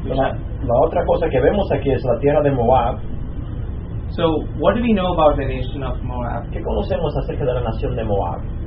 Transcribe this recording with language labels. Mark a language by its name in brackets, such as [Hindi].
[Spanish] La otra cosa que vemos aquí es la tierra de Moab. [English] So what do we know about the nation of Moab? [Spanish] ¿Qué conocemos acerca de la nación de Moab?